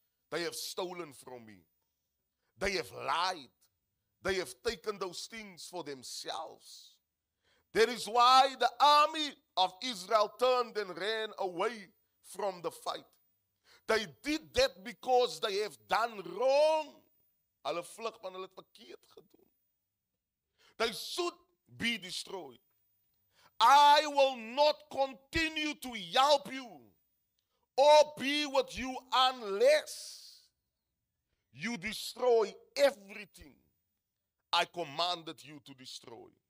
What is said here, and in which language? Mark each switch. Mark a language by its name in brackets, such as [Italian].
[English] They have stolen from me. They have lied. They have taken those things for themselves. That is why the army of Israel turned and ran away from the fight. They did that because they have done wrong. [Afrikaans] Hulle vlug want hulle het verkeerd gedoen. [English] They should be destroyed. I will not continue to help you or be with you unless you destroy everything I commanded you to destroy.